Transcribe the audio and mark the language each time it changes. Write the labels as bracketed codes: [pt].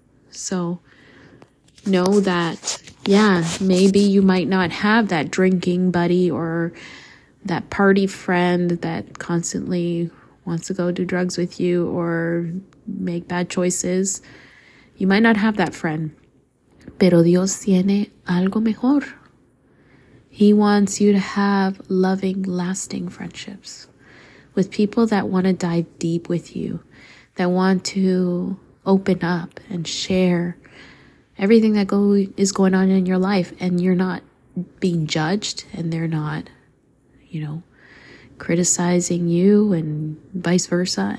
[en] So know that, yeah, maybe you might not have that drinking buddy or that party friend that constantly wants to go do drugs with you or make bad choices. You might not have that friend. [es] Pero Dios tiene algo mejor. [en] He wants you to have loving, lasting friendships with people that want to dive deep with you, that want to open up and share everything that is going on in your life, and you're not being judged and they're not, you know, criticizing you and vice versa.